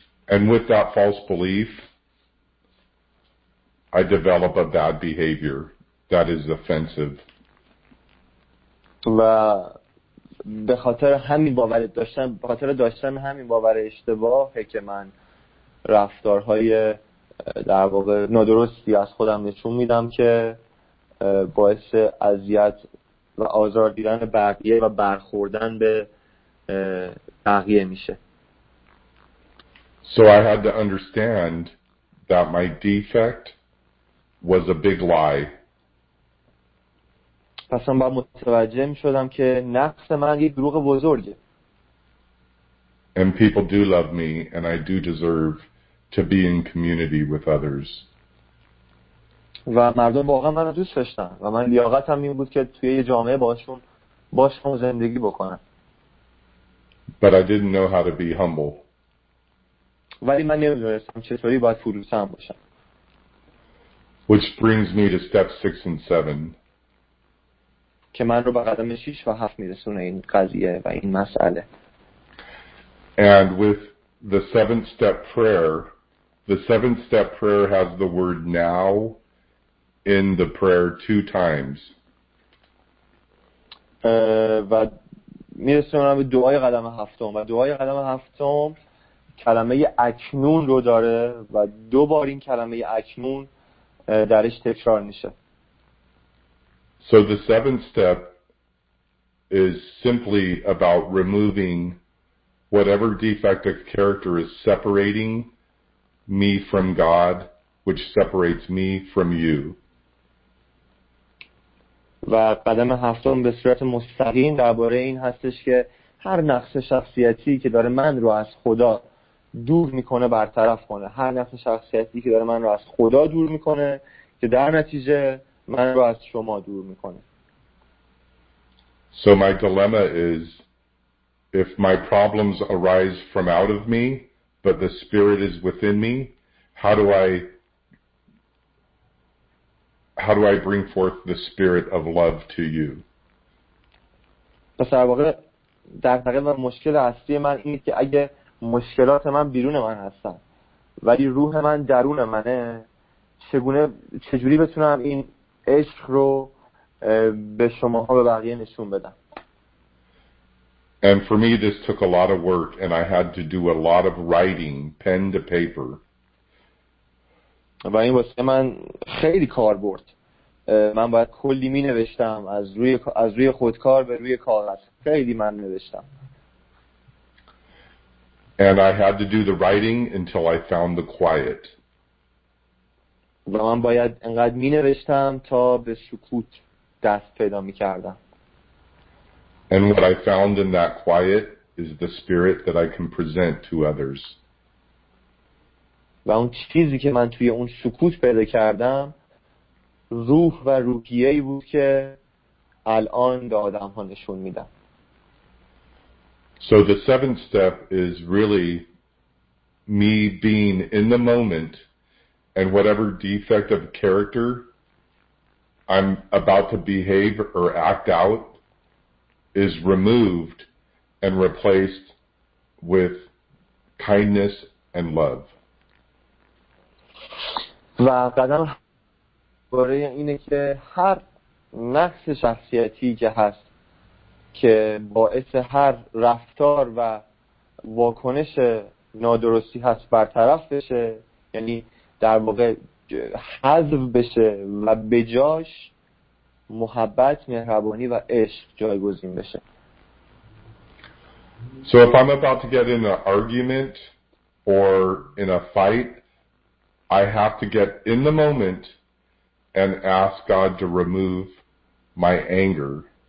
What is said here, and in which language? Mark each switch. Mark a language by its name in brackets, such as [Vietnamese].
[English] And with that false belief, I develop a bad behavior that is offensive. [Persian] و به خاطر همین باور داشتن، به خاطر داشتن همین باور اشتباهی که من رفتارهای در واقع نادرستی از خودم نشون میدم که باعث اذیت و آزار دیدن بقیه و برخوردن به بقیه میشه. [English] So I had to understand that my defect was a big lie. [Persian] پس من باید متوجه میشدم که نقص من یک دروغ بزرگه. [English] And people do love me and I do deserve to be in community with others. [Persian] و مردم واقعا منو دوست داشتن و من لیاقتم این بود که توی یه جامعه باشون زندگی بکنم. [English] But I didn't know how to be humble. [Persian] ولی من نمی‌دونستم چطوری باید فروتن باشم. [English] Which brings me to step 6 and 7. [Persian] که من رو به قدم 6 و 7 میرسونه این قضیه و این مسئله. [English] And with the seventh step prayer, the seventh step prayer has the word now in the prayer 2 times. [Persian] و میرسونم به دعای قدم هفتم و دعای قدم هفتم کلمه اکنون رو داره و دو بار این کلمه اکنون درش تکرار میشه. [English] So the seventh step is simply about removing whatever defect of character is separating me from God, which separates me from you. [Persian] و قدم هفتم به صورت مستقیم درباره این هستش که هر نقص شخصیتی که داره من رو از خدا دور میکنه برطرف کنه. هر نقص شخصیتی که داره من رو از خدا دور میکنه که در نتیجه من رو از شما دور میکنه. [English] So my dilemma is if my problems arise from out of me but the spirit is within me, how do I bring forth the spirit of love to you? [Persian] پس در واقع دغدغه و مشکل اصلی من اینه که اگه مشکلات من بیرون من هستن ولی روح من درون منه، چجوری بتونم این عشق رو به شماها به بقیه نشون بدم؟ [English] And for me this took a lot of work and I had to do a lot of writing, pen to paper. [Persian] و این واسه من خیلی کار برد. من باید کلی می نوشتم از روی خودکار به روی کاغذ. خیلی من نوشتم. [English] And I had to do the writing until I found the quiet. [Persian] و من باید انقدر می نوشتم تا به سکوت دست پیدا می کردم. [English] And what I found in that quiet is the spirit that I can present to others. [Persian] و اون چیزی که من توی اون سکوت پیدا کردم روح و روحیه‌ای بود که الان به آدم‌ها نشون میدم. [English] So the seventh step is really me being in the moment and whatever defect of character I'm about to behave or act out is removed and replaced with kindness and love. [Persian] و قدم برای اینه که هر نقص شخصیتی که هست که باعث هر رفتار و واکنش نادرستی هست برطرف بشه، یعنی در واقع حذف بشه و به جاش محبت، مهربانی و عشق جایگزین بشه. [English] So if I'm about to get in an argument or in a fight, I have to get in the moment and ask God to remove my anger.